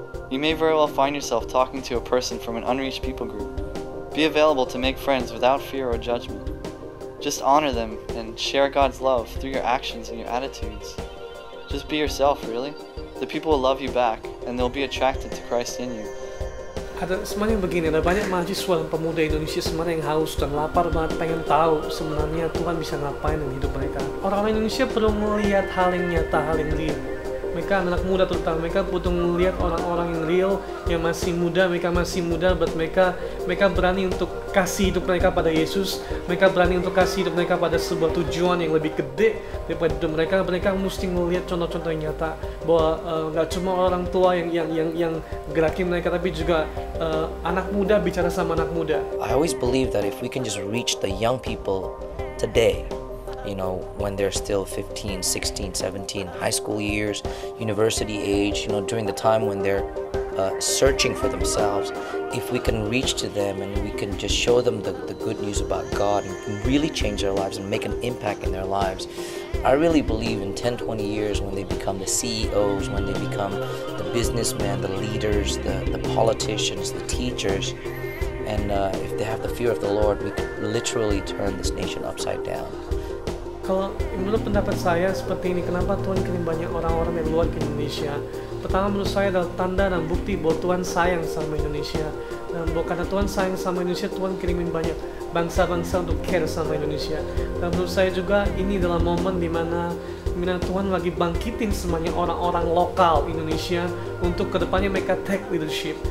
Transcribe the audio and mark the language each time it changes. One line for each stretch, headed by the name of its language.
English: You may very well find yourself talking to a person from an unreached people group. Be available to make friends without fear or judgment. Just honor them and share God's love through your actions and your attitudes. Just be yourself, really. The people will love you back, and they'll be attracted to Christ in you.
Indonesian: Ada sebenarnya begini, ada banyak mahasiswa dan pemuda Indonesia sebenarnya yang haus dan lapar banget, pengen tahu sebenarnya Tuhan bisa ngapain dalam hidup mereka. Orang-orang Indonesia perlu melihat hal yang nyata, hal yang real. Mereka anak muda terutama, mereka perlu melihat orang-orang yang real, yang masih muda, but mereka berani untuk kasih hidup mereka pada Yesus, mereka berani untuk kasih hidup mereka pada sebuah tujuan yang lebih gede daripada hidup mereka. Mereka mesti melihat contoh-contoh yang nyata, bahwa gak cuma orang tua yang gerakin mereka, tapi juga anak muda bicara sama anak muda.
English: I always believe that if we can just reach the young people today, you know, when they're still 15, 16, 17, high school years, university age, you know, during the time when they're searching for themselves, if we can reach to them and we can just show them the good news about God and really change their lives and make an impact in their lives, I really believe in 10, 20 years when they become the CEOs, when they become the businessmen, the leaders, the politicians, the teachers, and if they have the fear of the Lord, we could literally turn this nation upside down.
Indonesian: Kalau menurut pendapat saya seperti ini, kenapa Tuhan kirim banyak orang-orang dari luar ke Indonesia? Pertama menurut saya adalah tanda dan bukti bahwa Tuhan sayang sama Indonesia. Dan bahwa karena Tuhan sayang sama Indonesia, Tuhan kirimin banyak bangsa-bangsa untuk care sama Indonesia. Dan menurut saya juga ini adalah momen dimana Tuhan lagi bangkitin semuanya orang-orang lokal Indonesia untuk kedepannya mereka
English: take leadership.